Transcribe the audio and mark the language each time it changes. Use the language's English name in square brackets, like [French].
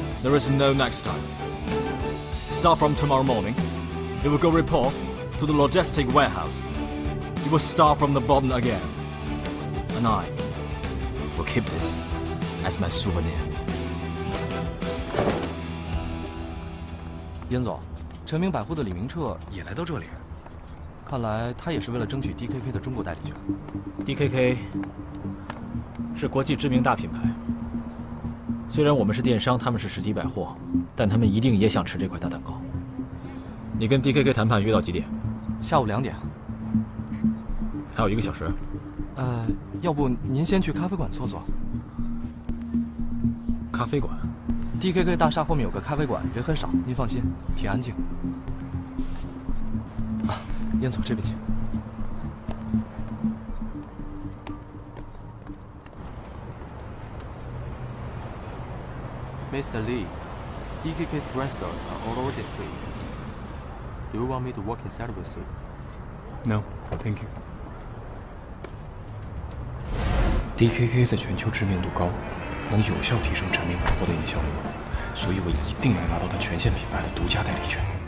[English] There is no next time. Start from tomorrow morning, It will go report to the logistic warehouse. It will start from the bottom again. And I will keep this as my souvenir. [Chinese] 严总，晨明百货的李明彻也来到这里，看来他也是为了争取 DKK 的中国代理权。 DKK 是国际知名大品牌，虽然我们是电商，他们是实体百货，但他们一定也想吃这块大蛋糕。你跟 DKK 谈判约到几点？下午2点。还有一个小时。要不您先去咖啡馆坐坐。咖啡馆？ DKK 大厦后面有个咖啡馆，人很少，您放心，挺安静。啊，燕总，这边请。 [English] Mr. Lee，DKK's grand stores are all over the street. Do you want me to walk inside with you? No, thank you. [Chinese] DKK 在全球知名度高，能有效提升晨明百货的影响力。所以我一定要拿到他全线品牌的独家代理权。